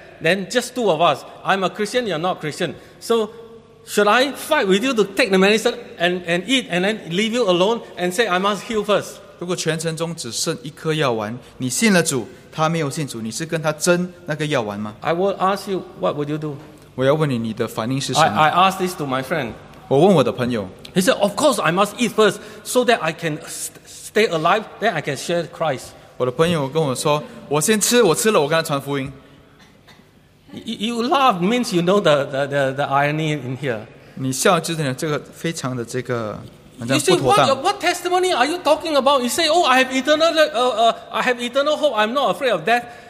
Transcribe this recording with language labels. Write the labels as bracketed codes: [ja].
[en] Then just two of us. I'm a Christian, you're not Christian. So... Should I fight with you to take the medicine and eat and then leave you alone and say I must heal first? [zh] 如果全程中只剩一颗药丸，你信了主，他没有信主，你是跟他争那个药丸吗？ [en] I will ask you, what would you do? [zh] 我要问你，你的反应是什么？ [en] I ask this to my friend. [zh] 我问我的朋友。 [en] He said, of course I must eat first so that I can stay alive, then I can share Christ. [zh] 我的朋友跟我说，我先吃，我吃了，我跟他传福音。 [en] You laugh means you know the irony in here. [zh] 你笑就等于这个非常的这个， [en] 你 say what testimony are you talking about? You say, oh, I have eternal, I have eternal hope. I'm not afraid of death.